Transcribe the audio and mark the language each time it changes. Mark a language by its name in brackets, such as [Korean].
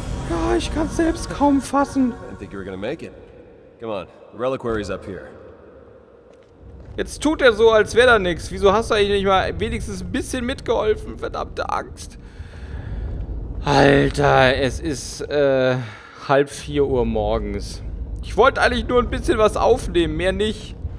[German] Ja, ich kann selbst kaum fassen. [English] I think you were gonna make it. Come on, the reliquary's up here. [German] Jetzt tut er so, als wäre da nichts. Wieso hast du eigentlich nicht mal wenigstens ein bisschen mitgeholfen, verdammte Angst. Alter, es ist halb 4 Uhr morgens. Ich wollte eigentlich nur ein bisschen was aufnehmen, mehr nicht.